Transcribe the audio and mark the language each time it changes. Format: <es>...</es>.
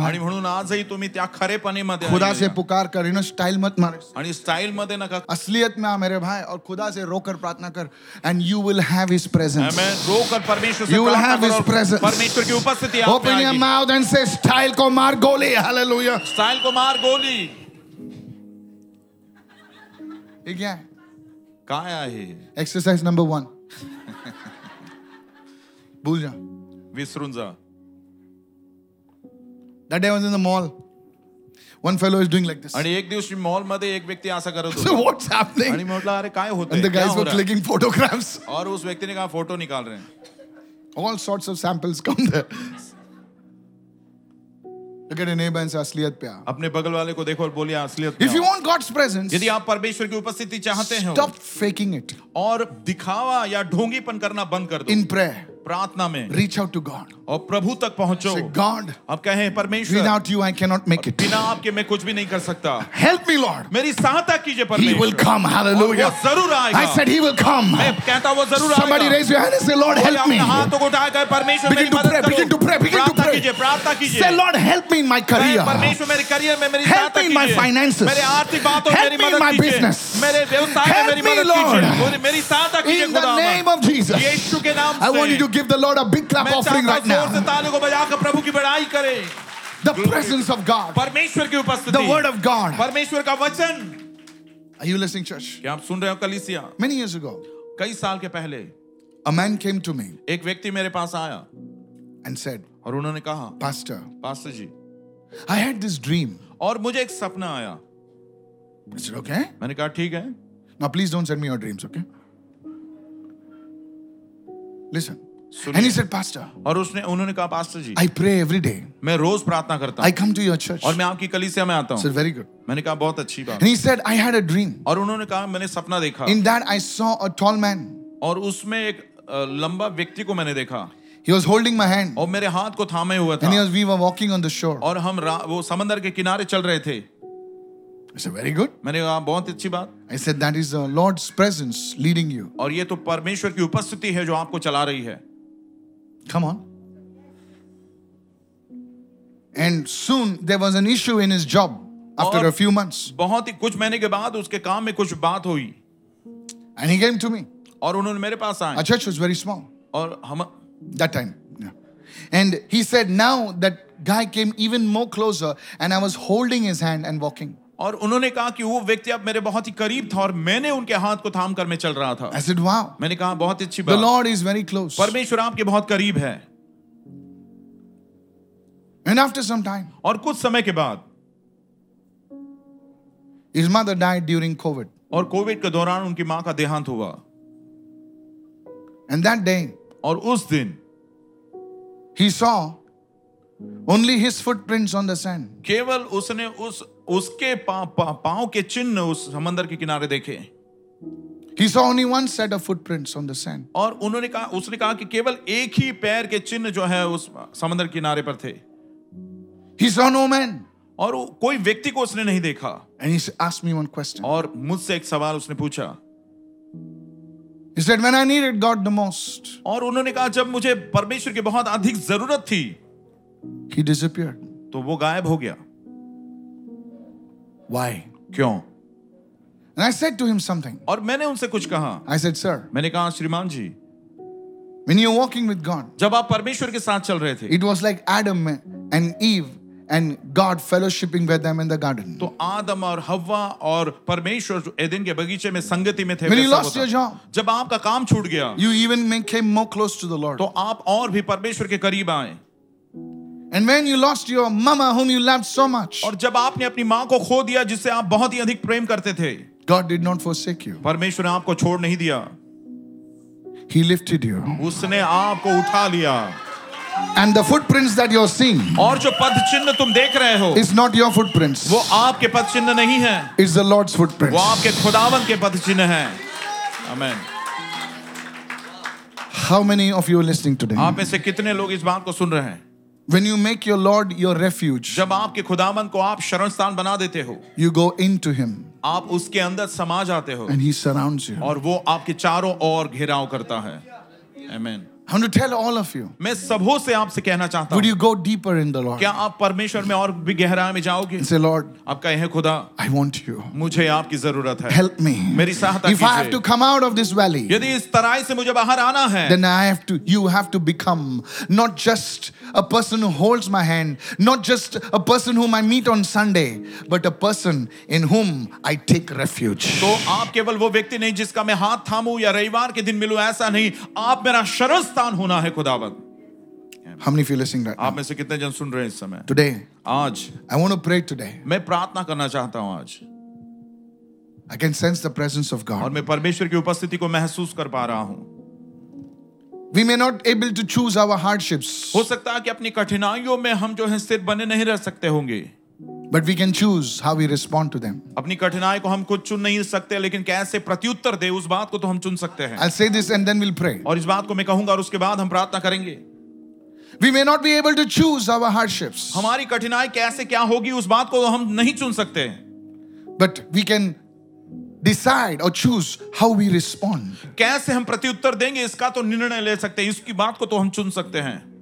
<mr>आणि म्हणून आजही तुम्ही त्या खरेपणी मध्ये</mr> <hi>खुदा से पुकार कर इनो स्टाइल मत मार</hi> <mr>आणि स्टाइल मध्ये नका</mr> <hi>असलियत में आ मेरे भाई और खुदा से रोकर प्रार्थना कर</hi> <en>and you will have his presence</en> <hi>आमेन रोकर परमेश्वर से</hi> <en>you will have his presence</en> <hi>परमेश्वर की उपस्थिति आप</hi> <en>open your mouth and say</en> <hi>स्टाइल को मार गोली हालेलुया स्टाइल को मार गोली ये क्या</hi> <mr>काय आहे</mr> <hi>एक्सरसाइज नंबर 1 भूल जा</hi> <mr>विसरून जा</mr> <en>That day I was in the mall. One fellow is doing like this.</en> <mr>आणि एक दिवस मी मॉल मध्ये एक व्यक्ती असा करत होता.</mr> <en>So what's happening?</en> <mr>आणि म्हटलं अरे काय होतंय?</mr> <en>And the guys were clicking photographs.</en> <hi>और उस व्यक्तीने काय फोटो निकाल रहे हैं.</hi> <en>All sorts of samples come there.</en> <hi>अगर इन्हें बंद से असलियत पे आ. अपने बगल वाले को देखो और बोलिए असलियत</hi> <en>पे. If you want God's presence,</en> <hi>यदि आप परमेश्वर की उपस्थिति चाहते हैं,</hi> <en>stop faking it.</en> <hi>और दिखावा या ढोंगीपन करना बंद कर दो.</hi> <en>In prayer.</en> <hi>प्रार्थना में</hi> <en>reach out to God</en> <hi>और प्रभु तक पहुंचो</hi> <en>God</en> <hi>अब कहे परमेश्वर</hi> <en>without you I can not make it</en> <hi>बिना आपके मैं कुछ भी नहीं कर सकता</hi> <en>help me Lord</en> <hi>मेरी सहायता कीजिए परमेश्वर</hi> <en>he will come hallelujah</en> <hi>वो जरूर आएगा</hi> <en>I said he will come</en> <hi>मैं कहता वो जरूर आएगा</hi> <en>Somebody raise your hand and say Lord help me</en> <hi>हाथों को उठाए कहे परमेश्वर मेरी मदद करो</hi> <en>begin to pray</en> <hi>प्रार्थना कीजिए प्रार्थना कीजिए</hi> <en>say Lord help me in my career</en> <hi>परमेश्वर मेरे करियर में मेरी सहायता कीजिए</hi> <en>help me in my finances</en> <hi>मेरे आर्थिक बातों में मेरी मदद कीजिए</hi> <en>help me in my business</en> <hi>मेरे व्यवसाय में मेरी मदद कीजिए</hi> <en>help me Lord</en> <hi>मेरी सहायता कीजिए</hi> <en>in the name of Jesus</en> <hi>यीशु के नाम</hi> <en>I want you to give the Lord a big clap offering right now</en> <hi>और तालियों को बजाकर प्रभु की बड़ाई करें</hi> <en>the presence of God</en> <hi>परमेश्वर की उपस्थिति</hi> <en>the word of God</en> <hi>परमेश्वर का वचन</hi> <en>are you listening church</en> <hi>क्या आप सुन रहे हो कलीसिया</hi> <en>many years ago</en> <hi>कई साल के पहले</hi> <en>a man came to me</en> <hi>एक व्यक्ति मेरे पास आया</hi> <en>and said</en> <hi>और उन्होंने कहा</hi> <en>pastor</en> <hi>ji</hi> <en>I had this dream</en> <hi>और मुझे एक सपना आया</hi> <en>is it okay</en> <hi>मैंने कहा ठीक है</hi> <en>Now please don't send me your dreams okay listen And he said, Pastor.</en> <hi>और उसने उन्होंने कहा pastor ji</hi> <en>I pray every day</en> <hi>मैं रोज प्रार्थना करता हूँ</hi> <en>I come to your church</en> <hi>और मैं आपकी कलीसिया में आता हूँ</hi> <en>sir very good</en> <hi>मैंने कहा बहुत अच्छी बात</hi> <en>And he said, I had a dream.</en> <hi>और उन्होंने कहा मैंने सपना देखा</hi> <en>In that I saw a tall man.</en> <hi>और उसमें एक लंबा व्यक्ति को मैंने देखा</hi> <en>He was holding my hand.</en> <hi>और मेरे हाथ को थामे हुआ था</hi> <en>And we were walking on the shore.</en> <hi>और हम वो समंदर के किनारे चल रहे थे</hi> <en>I said, very good.</en> <hi>मैंने कहा बहुत अच्छी बात</hi> <en>I said, that is the Lord's presence leading you.</en> <hi>और ये तो परमेश्वर की उपस्थिति है जो आपको चला रही है</hi> <en>Come on. And soon there was an issue in his job after a few months.</en> <hi>बहुत ही कुछ महीने के बाद उसके काम में कुछ बात हुई.</hi> <en>And he came to me.</en> <hi>और उन्होंने मेरे पास आए.</hi> <en>A church was very small.</en> <hi>और हम</hi> <en>that time. Yeah. And he said, now that guy came even more closer, and I was holding his hand and walking.</en> <hi>और उन्होंने कहा कि वो व्यक्ति अब मेरे बहुत ही करीब था और मैंने उनके हाथ को थाम कर मैं चल रहा था</hi> <en>I said, wow.</en> <hi>मैंने कहा बहुत अच्छी बात</hi> <en>The Lord is very close.</en> <hi>परमेश्वर आपके बहुत करीब है</hi> <en>And after some time,</en> <hi>और कुछ समय के बाद</hi> <en>His mother died during COVID.</en> <hi>और कोविड के दौरान उनकी माँ का देहांत हुआ</hi> <en>And that day,</en> <hi>और उस दिन</hi> <en>he saw only his footprints on the sand.</en> <hi>केवल उसने उस उसके पांव के चिन्ह उस समंदर के किनारे देखे</hi> <en>He saw only one set of footprints on the sand.</en> <hi>और उन्होंने कहा उसने कहा कि केवल एक ही पैर के चिन्ह जो है उस समंदर किनारे पर थे</hi> <en>He saw no man.</en> <hi>और कोई व्यक्ति को उसने नहीं देखा.</hi> <en>And he asked me one question.</en> <hi>और मुझसे एक सवाल उसने पूछा.</hi> <en>He said, "When I needed God the most."</en> <hi>और उन्होंने कहा जब मुझे परमेश्वर की बहुत अधिक जरूरत थी.</hi> <en>He disappeared.</en> <hi>तो वो गायब हो गया.</hi> <en>Why?</en> <hi>क्यों?</hi> <en>And I said to him something.</en> <hi>और मैंने उनसे कुछ कहा.</hi> <en>I said, "Sir."</en> <hi>मैंने कहा श्रीमान जी.</hi> <en>When you're walking with God.</en> <hi>जब आप परमेश्वर के साथ चल रहे थे.</hi> <en>It was like Adam and Eve. And God fellowshipping with them in the garden.</en> <hi>तो आदम और हव्वा और परमेश्वर एदेन के बगीचे में संगति में थे.</hi> <en>When you lost your job,</en> <hi>जब आपका काम छूट गया,</hi> <en>you even came more close to the Lord.</en> <hi>तो आप और भी परमेश्वर के करीब आए.</hi> <en>And when you lost your mama, whom you loved so much,</en> <hi>और जब आपने अपनी माँ को खो दिया, जिसे आप बहुत ही अधिक प्रेम करते थे,</hi> <en>God did not forsake you.</en> <hi>परमेश्वर ने आपको छोड़ नहीं दिया.</hi> <en>He lifted you.</en> <hi>उसने आपको उठा लिया.</hi> <en>And the footprints that you're seeing,</en> <hi>और जो पदचिन्ह तुम देख रहे हो,</hi> <en>is not your footprints.</en> <hi>वो आपके पदचिन्ह नहीं है.</hi> <en>Is the Lord's footprints.</en> <hi>वो आपके खुदावन के पदचिन्ह है.</hi> <en>Amen. How many of you are listening today?</en> <hi>आप में से कितने लोग इस बात को सुन रहे हैं?</hi> <en>When you make your Lord your refuge,</en> <hi>जब आपके खुदावन को आप शरण स्थान बना देते हो,</hi> <en>you go into Him.</en> <hi>आप उसके अंदर समा जाते हो.</hi> <en>And He surrounds you.</en> <hi>और वो आपके चारों ओर घेराव करता है.</hi> <en>Amen. I want to tell all of you.</en> <hi>मैं सबों से आपसे कहना चाहता हूँ.</hi> <en>Would you go deeper in the Lord?</en> <hi>क्या आप परमेश्वर में और भी गहराई में जाओगे?</hi> <en>Say, Lord.</en> <hi>आप कहें खुदा.</hi> <en>I want you.</en> <hi>मुझे आपकी ज़रूरत है.</hi> <en>Help me.</en> <hi>मेरी सहायता कीजिए.</hi> <en>If I have to come out of this valley.</en> <hi>यदि इस तराई से मुझे बाहर आना है.</hi> <en>Then I have to. You have to become not just a person who holds my hand, not just a person whom I meet on Sunday, but a person in whom I take refuge.</en> <hi>तो आप केवल वो व्यक्ति नहीं जिसका मैं हाथ थामूं या रविवार के दिन मिलूं, ऐसा नहीं. आप मेरा शरण स्थान होना है खुदावन.</hi> <en>How many of you listening right now?</en> <hi>आप में से कितने जन सुन रहे हैं इस समय?</hi> <en>Today.</en> <hi>आज.</hi> <en>I want to pray today.</en> <hi>मैं प्रार्थना करना चाहता हूं आज.</hi> <en>I can sense the presence of God.</en> <hi>और मैं परमेश्वर की उपस्थिति को महसूस कर पा रहा हूं.</hi> <en>We may not able to choose our hardships.</en> <hi>हो सकता है कि अपनी कठिनाइयों में हम जो है स्थिर बने नहीं रह सकते होंगे.</hi> <en>But we can choose how we respond to them.</en> <hi>अपनी कठिनाई को हम कुछ चुन नहीं सकते, लेकिन कैसे प्रत्युत्तर दे उस बात को तो हम चुन सकते हैं.</hi> <en>I'll say this and then we'll pray.</en> <hi>और इस बात को मैं कहूंगा और उसके बाद हम प्रार्थना करेंगे.</hi> <en>We may not be able to choose our hardships.</en> <hi>हमारी कठिनाई कैसे क्या होगी उस बात को तो हम नहीं चुन सकते.</hi> <en>But we can decide or choose how we respond.</en> <hi>कैसे हम प्रत्युत्तर देंगे इसका तो निर्णय ले सकते हैं, इसकी बात को तो हम चुन सकते हैं.</hi>